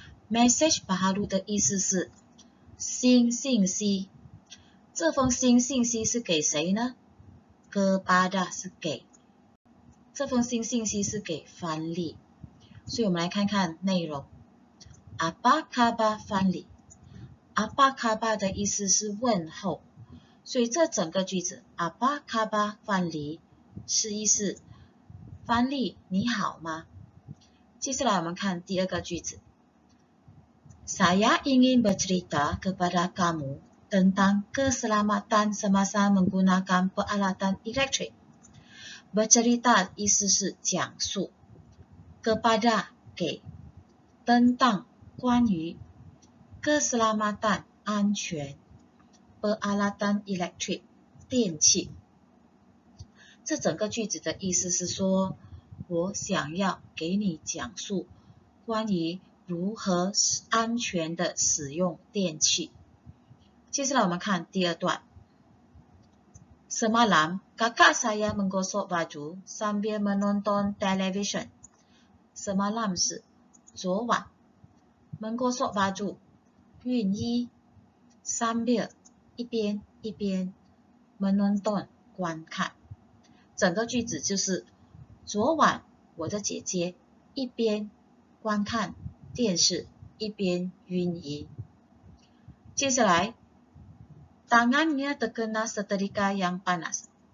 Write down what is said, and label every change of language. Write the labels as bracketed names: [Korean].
[Chinese] Message baharu 的意思是新信息，这封新信息是给谁呢？ Kepada 是给，这封新信息是给范例，所以我们来看看内容。 [Malay] Apa kabar范例？ [Chinese] Apa kabar 的意思是问候，所以这整个句子 Apa kabar范例是意思范例你好吗？接下来我们看第二个句子。 [Malay] Saya ingin bercerita kepada kamu tentang keselamatan semasa menggunakan peralatan elektrik. [Chinese] Bercerita 意思是讲述 kepada 给 tentang 关于 keselamatan 安全 peralatan elektrik 电器。这整个句子的意思是说，我想要给你讲述关于如何安全的使用电器。接下来我们看第二段。 [Malay] Semalam, kakak saya menggosok baju sambil menonton television. [Chinese] Semalam 是昨晚。 Menggosok baju, 熨衣。 Sambil, 一边。 Menonton, 观看。整个句子就是昨晚我的姐姐一边观看电视一边熨衣。接下来 [Malay] ，tangannya terkena setrika yang panas。